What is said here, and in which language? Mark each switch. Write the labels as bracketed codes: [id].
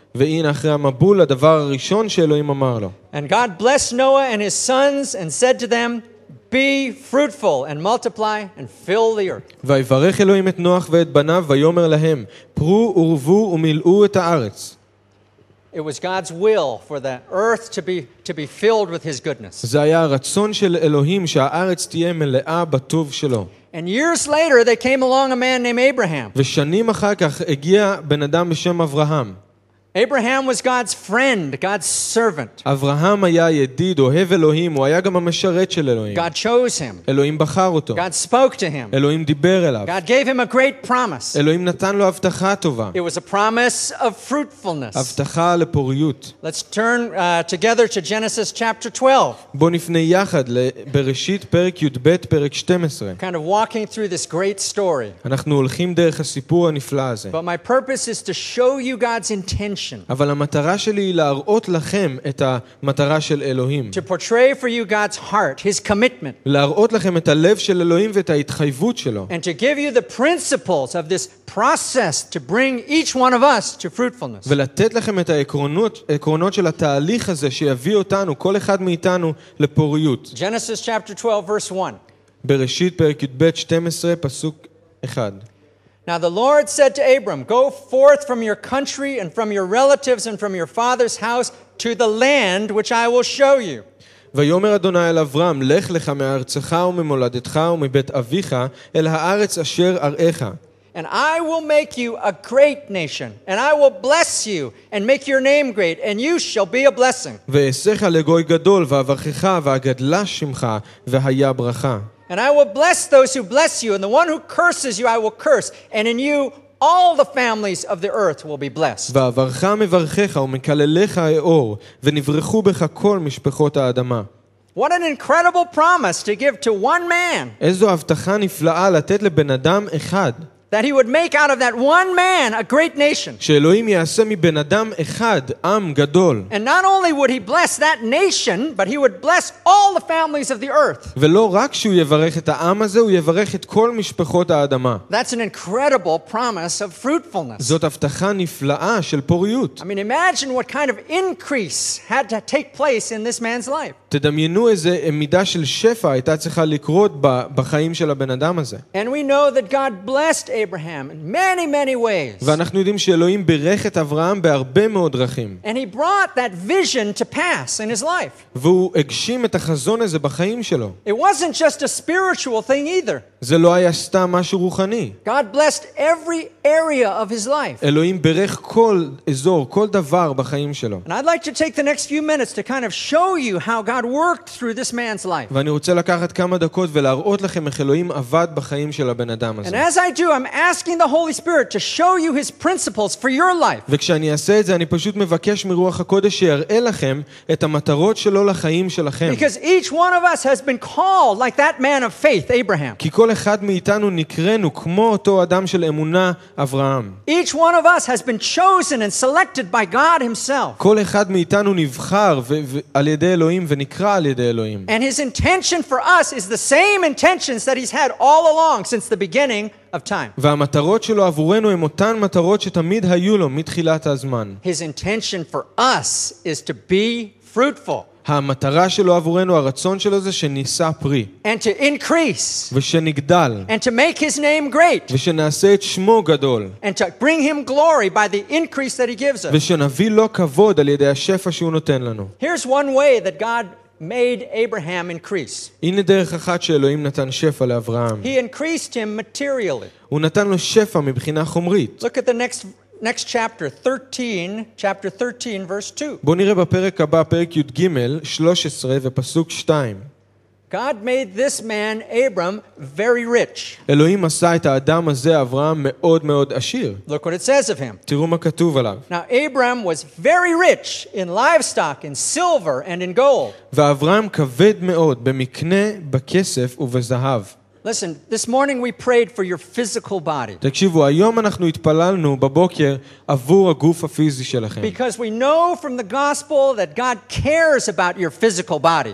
[he] והנה אחרי המבול הדבר הראשון שאלוהים אמר לו. [en] And God blessed Noah and his sons and said to them, "Be fruitful and multiply and fill the earth." [he] ויברך אלוהים את נוח ואת בניו ויאמר להם, פרו ורבו ומילאו את הארץ. [en] It was God's will for the earth to be filled with his goodness. [he] זה היה הרצון של אלוהים שהארץ תהיה מלאה בטוב שלו. [en] And years later they came along a man named Abraham. [he] ושנים אחר כך הגיע בן אדם בשם אברהם. [en] Abraham was God's friend, God's servant. [he] אברהם היה ידיד, אוהב אלוהים, הוא היה גם המשרת של אלוהים. [en] God chose him. [he] אלוהים בחר אותו. [en] God spoke to him. [he] אלוהים דיבר אליו. [en] God gave him a great promise. [he] אלוהים נתן לו הבטחה טובה. [en] It was a promise of fruitfulness. [he] הבטחה לפוריות. [en] Let's turn together to Genesis chapter 12. [he] בוא נפנה יחד לבראשית פרק י"ב פרק 12. [en] Kind of walking through this great story. [he] אנחנו הולכים דרך הסיפור הנפלא הזה. [en] But my purpose is to show you God's intention. intention. [he] אבל המטרה שלי היא להראות לכם את המטרה של אלוהים. [en] To portray for you God's heart, his commitment. [he] להראות לכם את הלב של אלוהים ואת ההתחייבות שלו. [en] And to give you the principles of this process to bring each one of us to fruitfulness. [he] ולתת לכם את העקרונות של התהליך הזה שיביא אותנו, כל אחד מאיתנו, לפוריות. [en] Genesis chapter 12 verse 1. [he] בראשית פרק י"ב 12 פסוק 1. [en] Now the Lord said to Abram, go forth from your country and from your relatives and from your father's house to the land which I will show you. [he] ויאמר אדוני אל אברהם, לך לך מארצך וממולדתך ומבית אביך אל הארץ אשר אראך. [en] And I will make you a great nation, and I will bless you and make your name great, and you shall be a blessing. [he] ואשך לגוי גדול ואברכך ואגדלה שמך והיה ברכה. [en] And I will bless those who bless you, and the one who curses you, I will curse. And in you, all the families of the earth will be blessed. [he] וברכה מברכך ומקללך אור, ונברכו בך כל משפחות האדמה. [en] What an incredible promise to give to one man. [he] איזו הבטחה נפלאה לתת לבן אדם אחד. [en] That he would make out of that one man a great nation. [he] שאלוהים יעשה מבן אדם אחד עם גדול. [en] And not only would he bless that nation, but he would bless all the families of the earth. [he] ולא רק שהוא יברך את העם הזה, הוא יברך את כל משפחות האדמה. [en] That's an incredible promise of fruitfulness. [he] זאת הבטחה נפלאה של פוריות. [en] I mean, imagine what kind of increase had to take place in this man's life. [he] תדמיינו איזה מידה של שפע הייתה צריכה לקרות בחיים של הבן אדם הזה. [en] And we know that God blessed Abraham in many, many ways. [he] ואנחנו יודעים שאלוהים ברך את אברהם בהרבה מאוד דרכים. [en] And he brought that vision to pass in his life. [he] והוא הגשים את החזון הזה בחיים שלו. [en] It wasn't just a spiritual thing either. [he] זה לא היה סתם משהו רוחני. [en] God blessed every area of his life. [he] אלוהים ברך כל אזור, כל דבר בחיים שלו. [en] And I'd like to take the next few minutes to kind of show you how God worked through this man's life. [he] ואני רוצה לקחת כמה דקות ולהראות לכם איך אלוהים עבד בחיים של הבן אדם הזה. [en] And as I do, I'm asking the Holy Spirit to show you his principles for your life. [he] וכשאני אעשה את זה, אני פשוט מבקש מרוח הקודש שיראה לכם את המטרות שלו לחיים שלכם. [en] Because each one of us has been called like that man of faith, Abraham. [he] כי כל אחד מאיתנו נקראנו כמו אותו אדם של אמונה, אברהם. [en] Each one of us has been chosen and selected by God himself. [he] כל אחד מאיתנו נבחר על ידי אלוהים ונקרא על ידי אלוהים. [en] And his intention for us is the same intentions that he's had all along since the beginning of time. [he] והמטרות שלו עבורנו הם אותן מטרות שתמיד היו לו מתחילת הזמן. [en] His intention for us is to be fruitful. [he] המטרה שלו עבורנו, הרצון שלו זה שנישא פרי. [en] And to increase. [he] ושנגדל. [en] And to make his name great. [he] ושנעשה את שמו גדול. [en] And to bring him glory by the increase that he gives us. [he] ושנביא לו כבוד על ידי השפע שהוא נותן לנו. [en] Here's one way that God made Abraham increase. [he] הנה דרך אחת שאלוהים נתן שפע לאברהם. [en] He increased him materially. [he] הוא נתן לו שפע מבחינה חומרית. [en] Look at the next chapter 13 chapter 13 verse 2 [he] בוא נראה בפרק הבא פרק י"ג 13 ופסוק 2 [en] God made this man Abram very rich [he] אלוהים עשה את האדם הזה אברהם מאוד מאוד עשיר [en] Look what it says of him [he] תראו מה כתוב עליו [en] Now Abram was very rich in livestock in silver and in gold [he] ואברהם כבד מאוד במקנה בכסף ובזהב [en] Listen, this morning we prayed for your physical body. [he] תקשיבו, היום אנחנו התפללנו בבוקר עבור הגוף הפיזי שלכם. [en] Because we know from the gospel that God cares about your physical body.